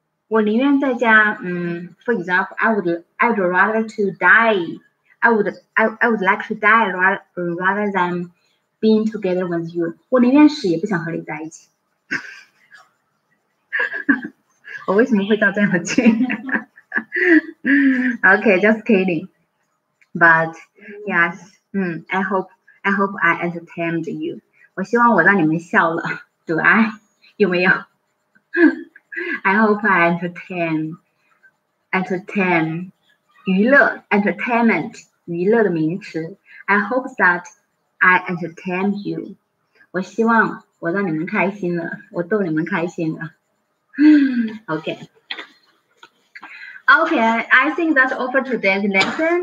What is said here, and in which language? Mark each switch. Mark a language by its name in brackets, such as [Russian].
[English] For example, I would like to die rather than being together with you. [Chinese] 我宁愿死也不想和你在一起。我为什么会造这样的句？ [English] OK, just kidding. But yes, I hope I entertained you. [Chinese] 我希望我让你们笑了 ， [English] Do I? [Chinese] 有没有？ [English] I hope I entertain [Chinese] 娱乐 entertainment 娱乐的名词。 [English] I hope that I entertained you. [Chinese] 我希望我让你们开心了，我逗你们开心了。 [English] Okay, I think that's all for today's lesson.